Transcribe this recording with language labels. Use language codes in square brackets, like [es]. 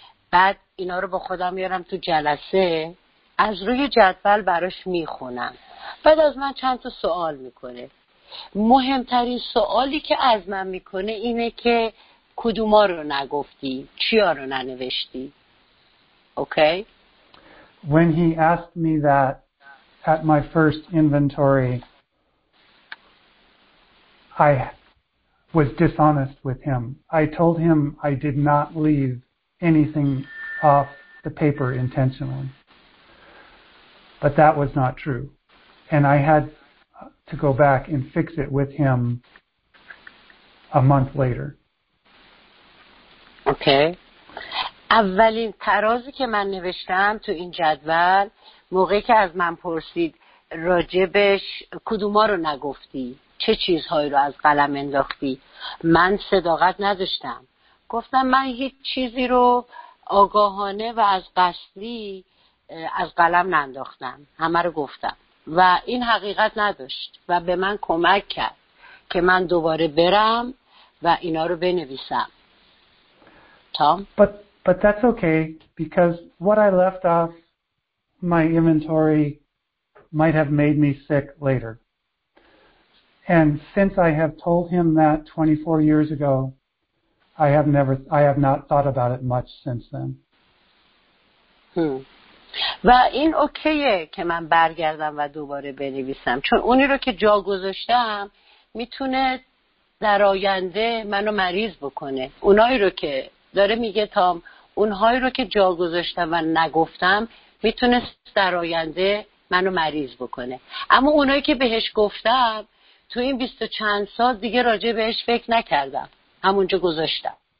[fa] بعد اینا رو با خودم میارم تو جلسه. از روی جدول براش میخونم. بعد از من چند تا سوال میکنه. مهمترین سوالی که از من میکنه اینه که کدوما رو نگفتی؟ چیا رو ننوشتی؟ Okay? [en] When he asked me that at my first inventory, I was dishonest with him. I told him I did not leave anything off the paper intentionally. But that was not true. And I had to go back and fix it with him a month later. Okay. [fa] اولین ترازی که من نوشتم تو این جدول موقعی که از من پرسید راجبش کدوما رو نگفتی چه چیزهایی رو از قلم انداختی من صداقت نداشتم گفتم من هیچ چیزی رو آگاهانه و از قصدی از قلم ننداختم همه رو گفتم و این حقیقت نداشت و به من کمک کرد که من دوباره برم و اینا رو بنویسم تام؟ [en] But that's okay, because what I left off my inventory might have made me sick later. And since I have told him that 24 years ago, I have not thought about it much since then. [fa] و این اوکیه که من برگردم و دوباره بنویسم. چون اونی رو که جا گذاشتم میتونه در آینده منو مریض بکنه. اونایی رو که داره میگه تام اونهایی رو که جا گذاشتم و نگفتم میتونست در آینده منو مریض بکنه اما اونایی که بهش گفتم تو این 20 چند سال دیگه راجع بهش فکر نکردم همونجا گذاشتم